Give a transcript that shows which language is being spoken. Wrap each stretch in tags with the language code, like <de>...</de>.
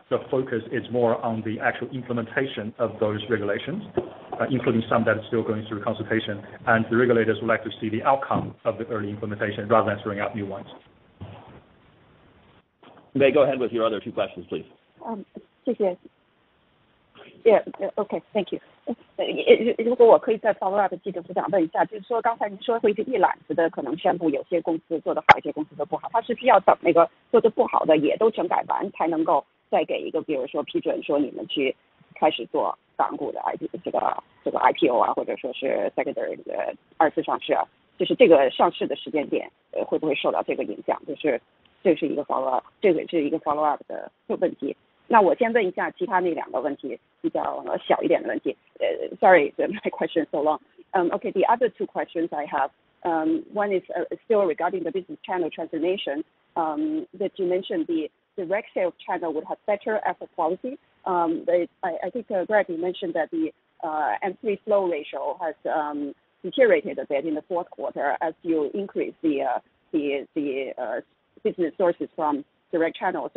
<en>The focus is more on the actual implementation of those regulations, including some that are still going through consultation. And the regulators would like to see the outcome of the early implementation rather than throwing out new ones. May go ahead with your other two questions, please. OK, thank you.</en> <zh>如果我可以再 follow up 记者部长问一下，就是说刚才您说会一揽子的可能宣布有些公司做得好，一些公司做不好，他是需要等那个做得不好的也都整改完才能够再给一个比如说批准说你们去开始做港股的 IPO 啊，或者说是 secondary 的二次上市啊，就是这个上市的时间点会不会受到这个影响，就是这是一个 follow up， 这个是一个 follow up 的问题。那我先问一下其他那两个问题，比较小一点的问题。</zh> <en>Sorry, my question so long. Okay, the other two questions I have, one is still regarding the business channel transformation. That you mentioned the direct sales channel would have better asset quality. I think Greg, you mentioned that the M3 flow ratio has deteriorated a bit in the fourth quarter as you increase the business sources from direct channel.</en>